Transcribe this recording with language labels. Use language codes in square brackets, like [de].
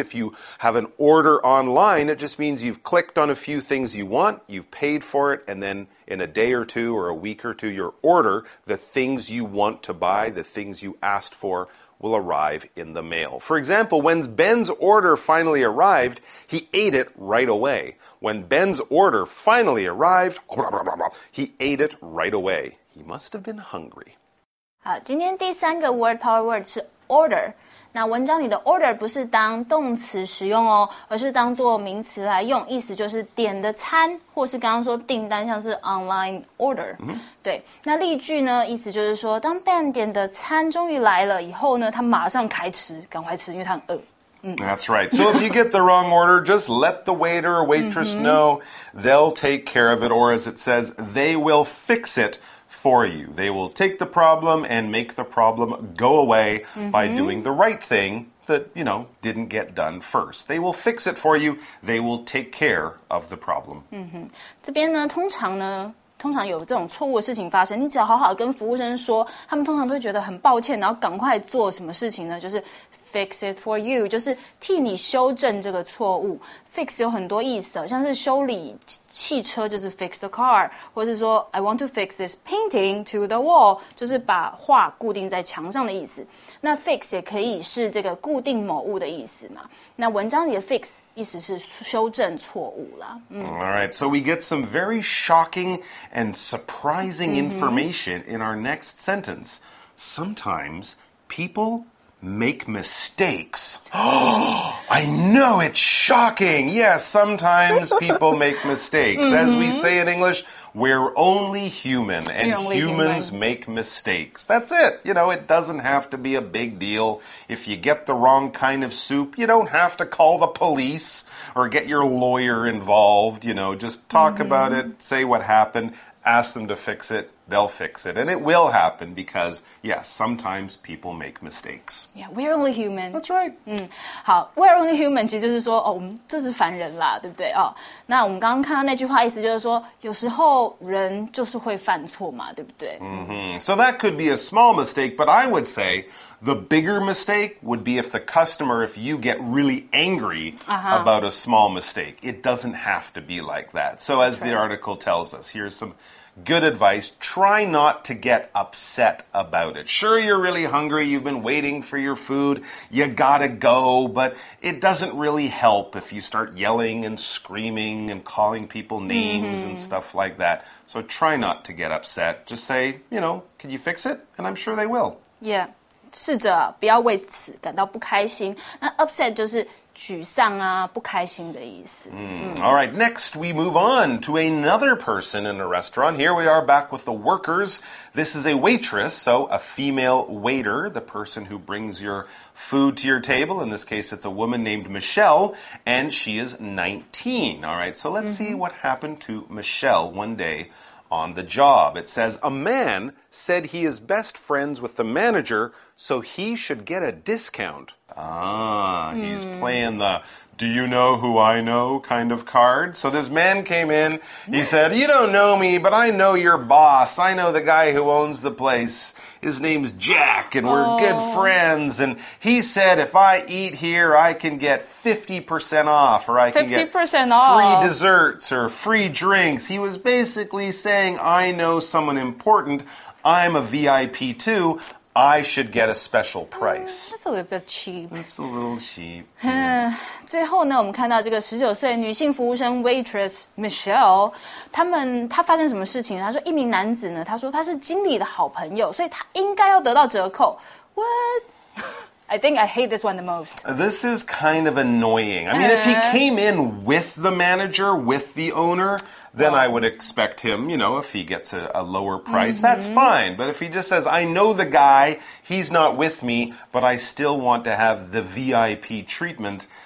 [en] If you have an order online, it just means you've clicked on a few things you want, you've paid for it, and then in a day or two or a week or two, your order, the things you want to buy, the things you asked for, will arrive in the mail. For example, when Ben's order finally arrived, he ate it right away. When Ben's order finally arrived, he ate it right away. He must have been hungry. [zh] 好，今天第三个 word power word 是 order。那文章里的 order 不是当动词使用哦，而是当作名词来用，意思就是点的餐，或是刚刚说订单，像是 online order。 Mm-hmm. 对，那例句呢，意思就是说，当 Ben 点的餐终于来了以后呢，他马上开吃，赶快吃，因为他很饿。 [en] That's right. So if you get the wrong order, just let the waiter or waitress know. They'll take care of it, or as it says, they will fix it. For you. They will take the problem and make the problem go away by doing the right thing that, you know, didn't get done first. They will fix it for you. They will take care of the problem. [zh] 这边呢，通常有这种错误的事情发生，你只要好好跟服务生说，他们通常都会觉得很抱歉，然后赶快做什么事情呢？就是 [en] fix it for you， [zh] 就是替你修正这个错误。 Fix 有很多意思，像是修理汽车就是 [en] fix the car， [zh] 或是说 [en] I want to fix this painting to the wall， [zh] 就是把画固定在墙上的意思。那 fix 也可以是这个固定某物的意思嘛。那文章里的 fix 意思是修正错误啦。 [en] All right, so we get some very shocking and surprising information in our next sentence. Sometimes people make mistakes. I know, it's shocking. Yes, sometimes people make mistakes. As we say in English, we're only human, and only humans make mistakes. That's it. You know, it doesn't have to be a big deal. If you get the wrong kind of soup, you don't have to call the police or get your lawyer involved. You know, just talk about it, say what happened, ask them to fix it. They'll fix it. And it will happen because, yes, sometimes people make mistakes. Yeah, we're only human. That's right. [zh] 好 , [en] we're only human [zh] 其实就是说、哦、我们这是凡人啦对不对、哦、那我们刚刚看到那句话意思就是说有时候人就是会犯错嘛对不对、 [en] So that could be a small mistake, but I would say the bigger mistake would be if the customer, if you get really angry、about a small mistake. It doesn't have to be like that. So、 That's、 as the article tells us, here's somegood advice, try not to get upset about it. Sure, you're really hungry, you've been waiting for your food, you gotta go, but it doesn't really help if you start yelling and screaming and calling people names and stuff like that. So try not to get upset. Just say, you know, can you fix it? And I'm sure they will. Yeah, [zh] 试着不要为此感到不开心。那 upset 就是沮丧啊，不开心的意思。 [en] All right, next we move on to another person in a restaurant. Here we are back with the workers. This is a waitress, so a female waiter, the person who brings your food to your table. In this case, it's a woman named Michelle, and she is 19. All right, so let's see what happened to Michelle one day on the job. It says, a man said he is best friends with the manager, so he should get a discount. He's playing the do you know who I know kind of card. So this man came in, he said, you don't know me, but I know your boss. I know the guy who owns the place. His name's Jack, and we're good friends. And he said, if I eat here, I can get 50% off, or I can get free desserts or free drinks. He was basically saying, I know someone important. I'm a VIP too. I should get a special price. That's a little cheap. Yes. [zh] 最后呢，我们看到这个19岁女性服务生 waitress Michelle， 她发生什么事情？她说一名男子呢，她说他是经理的好朋友，所以他应该要得到折扣。 [en] What? I think I hate this one the most. This is kind of annoying. I mean, if he came in with the manager, with the owner, then I would expect him, you know, if he gets a lower price, that's fine. But if he just says, I know the guy, he's not with me, but I still want to have the VIP treatment,